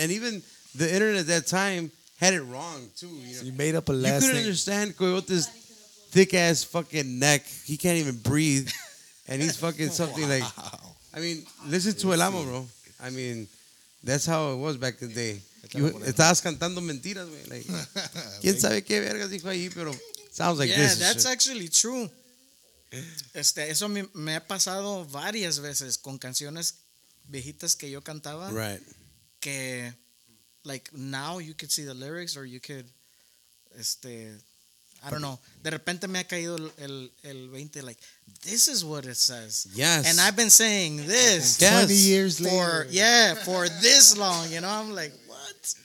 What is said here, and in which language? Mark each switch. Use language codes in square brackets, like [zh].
[en] And even the internet at that time had it wrong, too. You know? So you made up a last name. You couldn't name. Understand Coyote's thick-ass fucking neck. He can't even breathe. And he's fucking something wow. Like... I mean, listen to El Amo, bro. I mean, that's how it was back in the day. You [es] estabas cantando mentiras, [en] man. [es] Like, ¿quién sabe qué vergas dijo ahí, pero... [en] Sounds like yeah, this. Yeah, that's shit. Actually true. [es] Eso me ha pasado varias veces con canciones viejitas que yo cantaba. [en] Right. Que, like, now you could see the lyrics or you could, I don't know. [es] De repente me ha caído el 20, [en] like, this is what it says. Yes. And I've been saying this. Yes. 20 years later. Yeah, for this long, you know? I'm like, what?